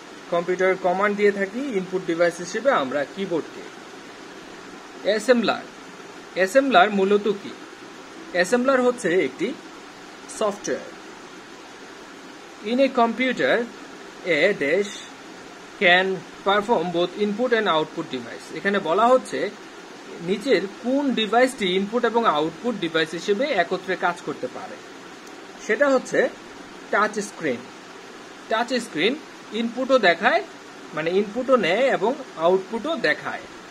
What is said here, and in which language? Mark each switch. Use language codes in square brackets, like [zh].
[bn] কম্পিউটারে কমান্ড দিয়ে থাকি ইনপুট ডিভাইস হিসেবে আমরা কিবোর্ডকে। অ্যাসেম্বলার, অ্যাসেম্বলার মূলত কি? অ্যাসেম্বলার হচ্ছে একটি software. [en] In a computer a dash can perform both input and output device. [bn] এখানে বলা হচ্ছে নিচের কোন ডিভাইসটি ইনপুট এবং আউটপুট ডিভাইস হিসেবে একত্রে কাজ করতে পারে, সেটা হচ্ছে টাচ স্ক্রিন। টাচ স্ক্রিন ইনপুটও দেখায়, মানে ইনপুটও নেয় এবং আউটপুটও দেখায়।